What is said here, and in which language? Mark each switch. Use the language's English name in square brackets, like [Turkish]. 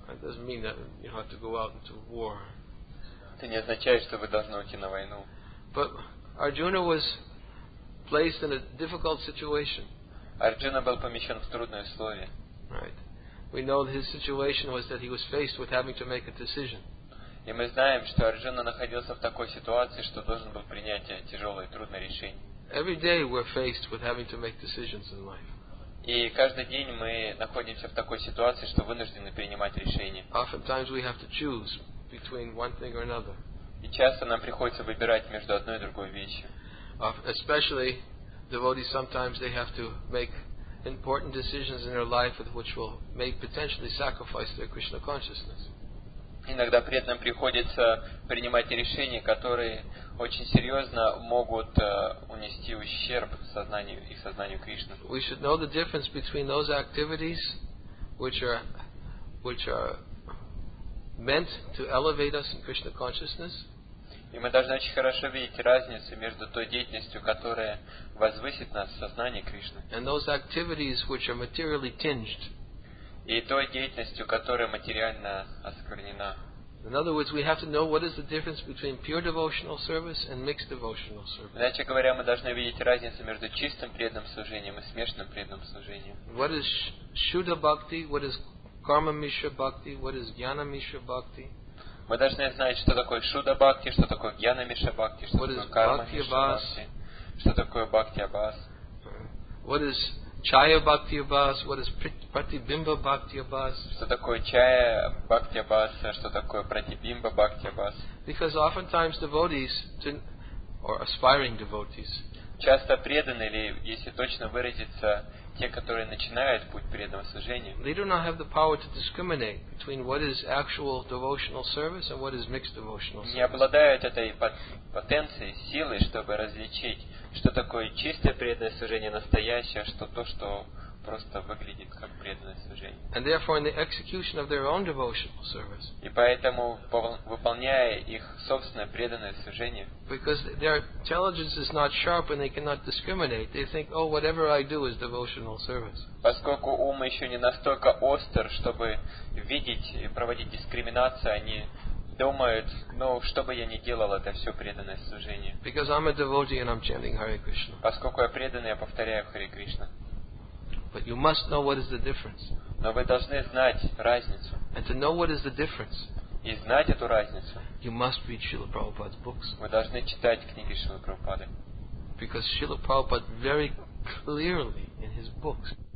[English] It doesn't mean that you have to go out into war. [Russian] Это не означает, что вы должны уйти на войну. [English] But Arjuna was placed in a difficult situation. [Russian] Арджуна был помещен в трудные условия. [English] Right. We know his situation was that he was faced with having to make a decision. [Russian] И мы знаем, что Арджуна находился в такой ситуации, что должен был принять тяжелое и трудное решение. [English] Every day we're faced with having to make decisions in life. [Russian] И каждый день мы находимся в такой ситуации, что вынуждены принимать решения. [English] Oftentimes we have to choose between one thing or another. [Russian] И часто нам приходится выбирать между одной и другой вещью. [English] Especially devotees sometimes they have to make important decisions in their life with which will may potentially sacrifice their Krishna consciousness. [Russian] Иногда преданным приходится принимать решения, которые очень серьезно могут унести ущерб сознанию и сознанию Кришны. [English] We should know the difference between those activities which are meant to elevate us in Krishna consciousness. [Russian] И мы должны очень хорошо видеть разницу между той деятельностью, которая возвысит нас в сознании Кришны. [English] And those activities which are materially tinged. [Russian] И той деятельностью, которая материально осквернена. [English] In other words, we have to know what is the difference between pure devotional service and mixed devotional service. [Russian] Иначе говоря, мы должны видеть разницу между чистым преданным служением и смешанным преданным служением. [English] What is Shuddha Bhakti? What is Karma Mishra Bhakti? What is Jnana Mishra Bhakti? [Russian] Мы должны знать, что такое Shuddha Bhakti, что такое Jnana Mishra Bhakti, что такое Karma Mishra Bhakti, что такое Bhakti Abhas. [English] What is Chaya Bhakti Abhas? What is Pratibimba Bhakti Abhas? [Russian] Что такое Chaya Bhakti Abhas? Что такое Pratibimba Bhakti Abhas? [English] Because oftentimes devotees or aspiring devotees. [Russian] Часто преданные, или если точно выразиться, те, которые начинают путь преданного служения. [English] They do not have the power to discriminate between what is actual devotional service and what is mixed devotional service. [Russian] Не обладают этой потенцией, силой, чтобы различить, что такое чистое преданное служение, настоящее, что то, что просто выглядит как преданное служение. [English] And therefore, in the execution of their own devotional service. [Russian] И поэтому, выполняя их собственное преданное служение. [English] Because their intelligence is not sharp and they cannot discriminate. They think, oh, whatever I do is devotional service. [Russian] Поскольку ум еще не настолько остр, чтобы видеть и проводить дискриминацию, они думают, ну, что бы я ни делал, это все преданное служение. [English] Because I'm a devotee and I'm chanting Hare Krishna. [Russian] Поскольку я преданный, я повторяю Харе Кришна. [English] But you must know what is the difference. [Russian] Но вы должны знать разницу. [English] And to know what is the difference. [Russian] И знать эту разницу. [English] You must read Srila Prabhupada's books. [Russian] Вы должны читать книги Шрилы Прабхупады. [English] Because Srila Prabhupada very clearly in his books.